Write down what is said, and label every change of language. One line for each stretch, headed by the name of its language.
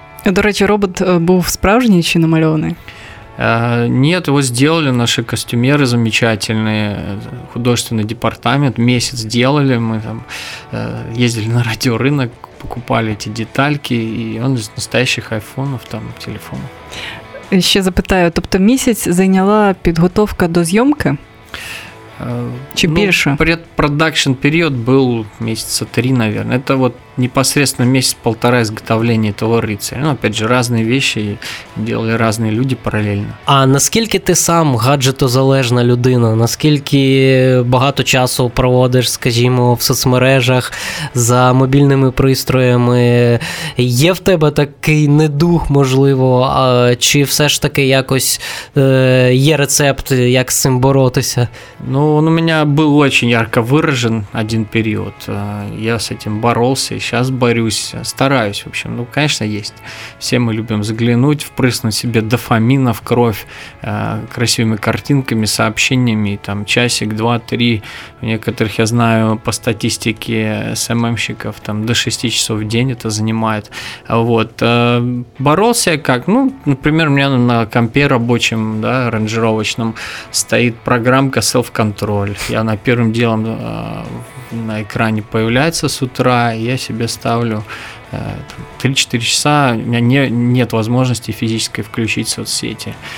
Ukrainian: До речі, робот був справжній чи намальований?
Russian: Нет, его сделали наши костюмеры замечательные, художественный департамент, месяц сделали, мы там ездили на радиорынок, покупали эти детальки, и он из настоящих айфонов, там, телефонов.
Ukrainian: Ще запитаю, тобто місяць зайняла підготовка до зйомки? Чи більше?
Russian: Предпродакшн період був місяця 3, наверное.
Ukrainian: Це от
Russian: непосредственно месяц-полтора изготовления этого рыцаря. Ну, опять же, разные вещи делали разные люди параллельно.
Ukrainian: А наскільки ти сам гаджетозалежна людина? Наскільки багато часу проводиш, скажімо, в соцмережах за мобільними пристроями? Є в тебе такий недух, можливо, чи все ж таки якось є рецепт, як з цим боротися? Ну, він у мене був дуже
Russian: ярко виражен
Ukrainian: один період. Я з цим боролся.
Russian: Сейчас борюсь, стараюсь, в общем. Ну, конечно, есть. Все мы любим заглянуть, впрыснуть себе дофамина в кровь красивыми картинками, сообщениями, там, часик, два, три. У некоторых, я знаю, по статистике СММщиков, там, до 6 часов в день это занимает. Вот. Боролся я как? Ну, например, у меня на компе рабочем, да, ранжировочном, стоит программка Self-Control. Я на первым делом на экране появляется с утра, я себе ставлю 3-4 часа, у меня нет возможности физической включить соцсети.